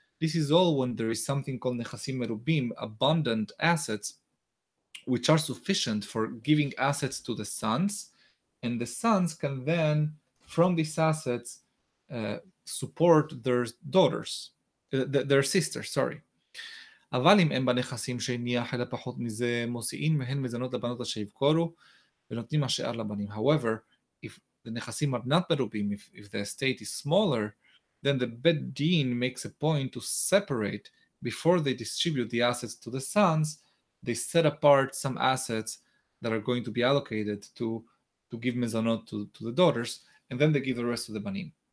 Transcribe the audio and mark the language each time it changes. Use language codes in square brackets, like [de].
[en] This is all when there is something called nechasim merubim, abundant assets, which are sufficient for giving assets to the sons, and the sons can then, from these assets, support their daughters, their sisters, sorry. [he] אבל אם הם בנכסים שהניח אלא פחות מזה, מוסיעים מהן מזנות לבנות אשר יבכורו, ונותנים השאר לבנים. [en] However, if the נכסים are not מרובים, if the estate is smaller, then the bet din makes a point to separate before they distribute the assets to the sons, they set apart some assets that are going to be allocated to give mezanot to the daughters, and then they give the rest to the banim.